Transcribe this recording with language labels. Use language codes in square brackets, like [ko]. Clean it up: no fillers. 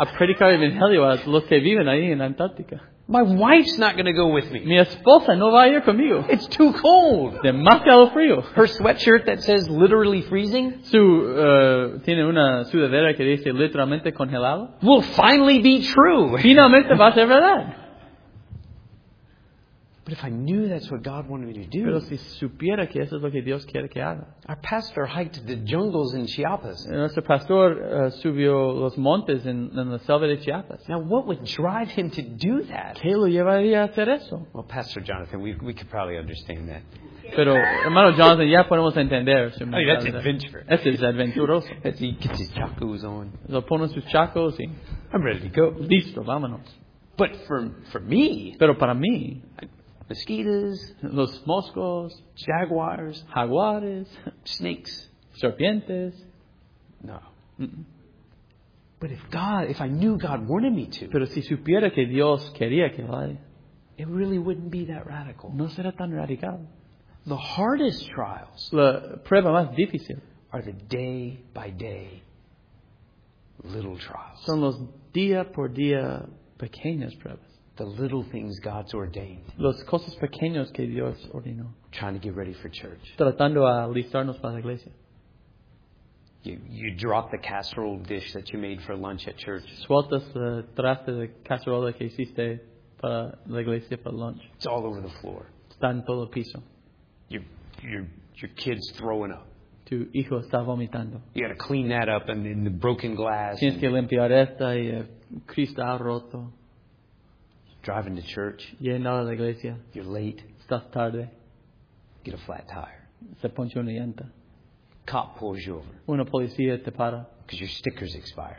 [es] a predicar evangelio a los que viven ahí en Antarctica. [en] My wife's not going to go with me. [es] Mi esposa no va a ir conmigo. [en] It's too cold. [es] Demasiado frío. [en] Her sweatshirt that says literally freezing. [es] Tiene una sudadera que dice literalmente congelado. [en] Will finally be true. [es] Finalmente va a ser verdad. [en] But if I knew that's what God wanted me to do. [es] Pero si supiera que eso es lo que Dios quiere que haga. [en] Our pastor hiked the jungles in Chiapas. [es] Nuestro pastor subió los montes en la selva de Chiapas. [en] Now what would drive him to do that? [es] ¿Qué lo llevaría a hacer eso? [en] Well, Pastor Jonathan, we could probably understand that. [es] Pero hermano Jonathan, ya podemos entender. [en] I mean, that's adventure. [es] Eso es aventuroso. [en] He gets his chacos on. [es] Lo pone sus chacos y... [en] I'm ready to go. [es] Listo, vámonos. [en] But for me... [es] Pero para mí... [en] Mosquitoes, [es] los moscos, [en] jaguars, [es] jaguares, [en] snakes, [es] serpientes. [en] No. Mm-mm. [es] But if I knew God wanted me to, [en] pero si supiera que Dios quería que vaya, [es] it really wouldn't be that radical. [en] No será tan radical. [es] The hardest trials, [en] la prueba más difícil, [es] are the day by day little trials. [en] Son los día por día pequeñas pruebas. [es] The little things God's ordained. [en] Los cosas pequeños que Dios ordenó. [es] Trying to get ready for church. [en] Tratando a listarnos para la iglesia. [es] You drop the casserole dish that you made for lunch at church. [en] Sueltas el traste de cacerola que hiciste para la iglesia para lunch. [es] It's all over the floor. [en] Está en todo el piso. [es] Your kid's throwing up. [en] Tu hijo está vomitando. [es] You gotta clean that up and then the broken glass. [en] Tienes que limpiar esta y el cristal roto. [es] Driving to church. [en] Yendo a la iglesia. [es] You're late. [en] Estás tarde. [es] Get a flat tire. [en] Se ponche una llanta. [es] Cop pulls you over. [en] Una policía te para. Because your sticker's expired.